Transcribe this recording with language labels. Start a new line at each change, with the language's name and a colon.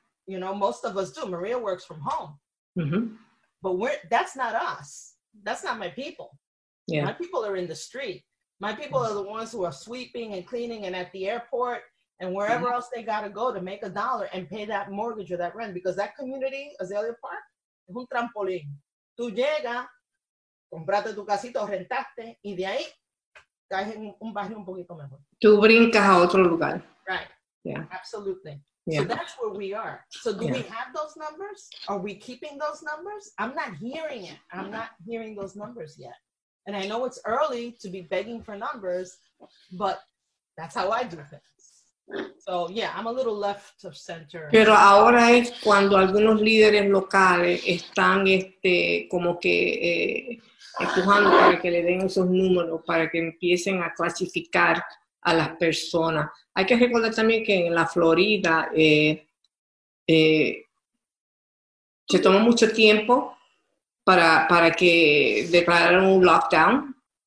English: You know, most of us do. Maria works from home. Mm-hmm. But we're, that's not us. That's not my people. Yeah. My people are in the street. My people are the ones who are sweeping and cleaning and at the airport and wherever else they got to go to make a dollar and pay that mortgage or that rent. Because that community, Azalea Park,
Spanish: es un trampolín. Tú llegas, compraste tu casito, rentaste, y de ahí caes en un barrio un poquito mejor. Tú brincas a otro lugar.
English: Right. Yeah. Absolutely. Yeah. So that's where we are. So do we have those numbers? Are we keeping those numbers? I'm not hearing it. I'm not hearing those numbers yet. And I know it's early to be begging for numbers, but that's how I do things. So, yeah, I'm a little left of center.
Spanish: Pero ahora es cuando algunos líderes locales están como que empujando para que le den esos números, para que empiecen a clasificar a las personas. Hay que recordar también que en la Florida se tomó mucho tiempo para que declararan un lockdown.